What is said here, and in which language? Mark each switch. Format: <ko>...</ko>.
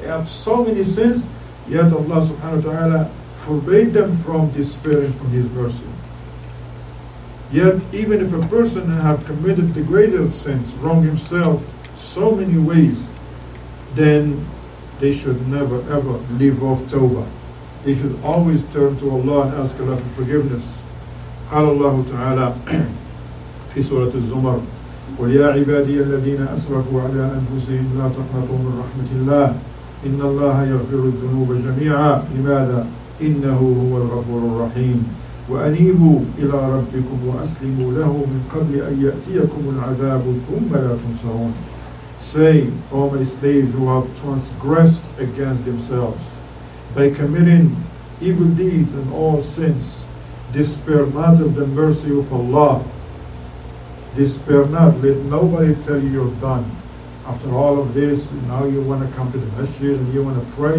<en>They have so many sins, yet Allah subhanahu wa ta'ala forbade them from despairing from His mercy. Yet even if a person have committed the greater sins, wronged himself so many ways, then they should never ever leave off tawbah. They should always turn to Allah and ask Allah for forgiveness.</en> <ar>قال الله تعالى في سورة الزمر قل يا عبادي الذين أسرفوا على أنفسهم لا تقنطوا من رحمة الله إن الله يغفر الذنوب جميعا لماذا إنه هو الغفور الرحيم وأنيبوا إلى ربكم وأسلموا له من قبل أن يأتيكم العذاب ثم لا تنصرون.</ar> <en>Say, all my slaves who have transgressed against themselves by committing evil deeds and all sins. Despair not of the mercy of Allah. Despair not. Let nobody tell you you're done. After all of this, now you want to come to the masjid and you want to pray.</en>